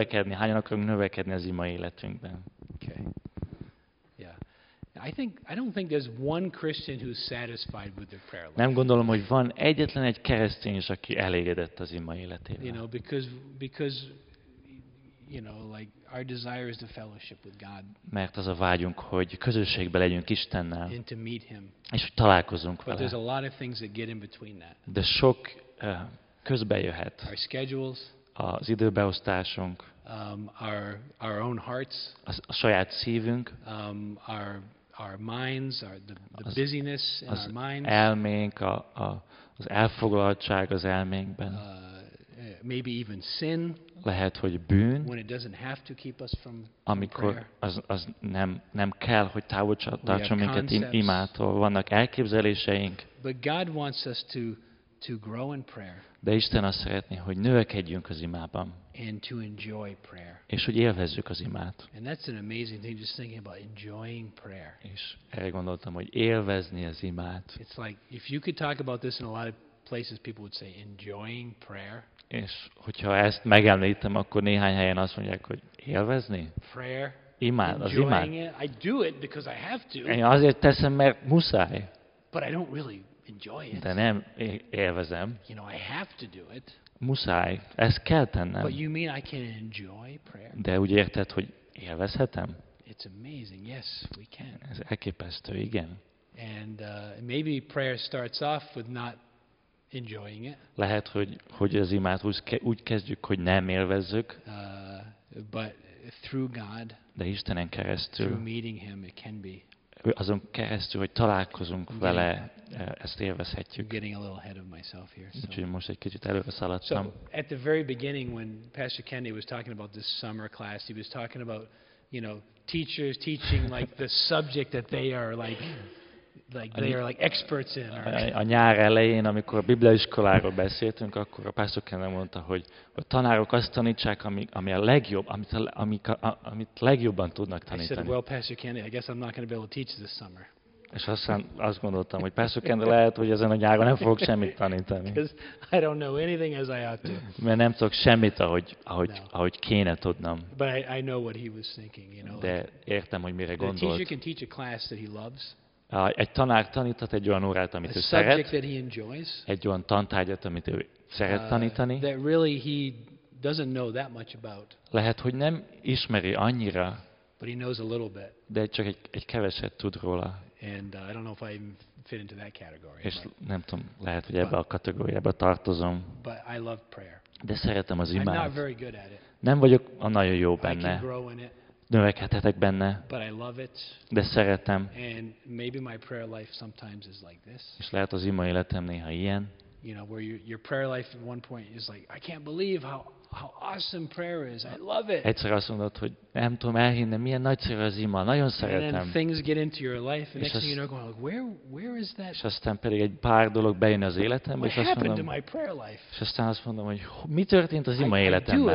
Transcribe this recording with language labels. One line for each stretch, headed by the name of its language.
Hungarian: Hányan akarunk növekedni az ima életünkben?
English: Okay. I don't think there's one Christian who's satisfied with their prayer life.
Hungarian: Nem gondolom, hogy van egyetlen egy keresztény, aki elégedett az ima életével.
English: You know, because you know, like our desire is the fellowship with God.
Hungarian: Mert az a vágyunk, hogy közösségbe legyünk Istennel.
English: And to meet him.
Hungarian: És hogy találkozunk vele.
English: But there's a lot of things that get in between that.
Hungarian: De sok közben jöhet.
English: Our schedules.
Hungarian: Az időbeosztásunk.
English: Our own hearts.
Hungarian: A saját szívünk.
English: Our minds, the busyness in
Hungarian: az
English: our minds.
Hungarian: Elménk, az elfoglaltság az elménkben.
English: Maybe even sin.
Hungarian: Lehet, hogy bűn.
English: When it doesn't have to keep us from prayer.
Hungarian: Amikor az nem kell, hogy távol tartson minket imától. Vannak elképzeléseink.
English: But God wants us to to grow in prayer.
Hungarian: De Istenet szeretné, hogy növekedjünk az imában.
English: And to enjoy prayer.
Hungarian: És hogy élvezzük az imát.
English: And that's an amazing thing, just thinking about enjoying prayer.
Hungarian: És erre gondoltam, hogy élvezni az imát.
English: It's like if you could talk about this in a lot of places, people would say enjoying prayer.
Hungarian: És hogyha ezt megemlítem, akkor néhány helyen azt mondják, hogy élvezni?
English: Prayer.
Hungarian: Imád, az imád.
English: Enjoying it. I do it because I have to.
Hungarian: Én azért teszem, mert muszáj.
English: But I don't really enjoy it.
Hungarian: De nem élvezem.
English: You know, I have to do it.
Hungarian: Muszáj, ezt kell tennem.
English: But you mean I can enjoy prayer?
Hungarian: De úgy érted, hogy élvezhetem?
English: It's amazing. Yes, we can.
Hungarian: Ez elképesztő, igen.
English: And maybe prayer starts off with not enjoying it.
Hungarian: Lehet, hogy az imát úgy kezdjük, hogy nem élvezzük.
English: But through God,
Hungarian: de Istenen keresztül,
English: through meeting him, it can be.
Hungarian: Azon keresztül, hogy találkozunk vele, ezt élvezhetjük.
English: Getting a little ahead of myself here, so.
Hungarian: Úgyhogy most egy kicsit előre szaladtam.
English: So, at the very beginning, when Pastor Kennedy was talking about this summer class, he was talking about, you know, teachers teaching like the subject that they are like experts in.
Hungarian: A nyár elején, amikor a bibliaiskoláról beszéltünk, akkor a Pastor Kennedy mondta, hogy a tanárok azt tanítsák, amit legjobban tudnak tanítani.
English: I said, well, Pastor Kennedy, I guess I'm not going to be able to teach this summer.
Hungarian: És aztán azt gondoltam, hogy Pastor Kennedy, lehet, hogy ezen a nyáron nem fogok semmit tanítani.
English: Because I don't know anything as I ought to.
Hungarian: Mert nem tudok semmit, ahogy kéne tudnom.
English: But I know what he was thinking, you know.
Hungarian: De értem, hogy mire gondolt.
English: The teacher can teach a class that he loves.
Hungarian: Egy tanár taníthat egy olyan órát, amit ő szeret, egy olyan tantárgyat, amit ő szeret tanítani.
English: That really he doesn't know that much about.
Hungarian: Lehet, hogy nem ismeri annyira,
English: but he knows a little bit.
Hungarian: De csak egy keveset tud róla.
English: And I don't know if I even fit into that category.
Hungarian: És nem tudom, lehet, hogy ebbe a kategóriába tartozom.
English: But I love prayer.
Hungarian: De szeretem az imát.
English: I'm not very good at it.
Hungarian: Nem vagyok a nagyon jó benne.
English: I can grow in it.
Hungarian: Növekedhetek benne,
English: but I love it.
Hungarian: De szeretem.
English: And maybe my prayer life sometimes is like this.
Hungarian: És lehet az ima életem néha ilyen.
English: You know, where your prayer life at one point is like, I can't believe how awesome prayer is. I love it.
Hungarian: Egyszer azt mondod, hogy nem tudom elhinni, milyen nagyszerű az ima, nagyon szeretem.
English: And then things get into your life, and next thing you know, going like, where is that?
Hungarian: És aztán pedig egy pár dolog bejön az életembe, és azt mondom,
English: to my prayer life?
Hungarian: És aztán azt mondom, hogy mi történt az ima életemben?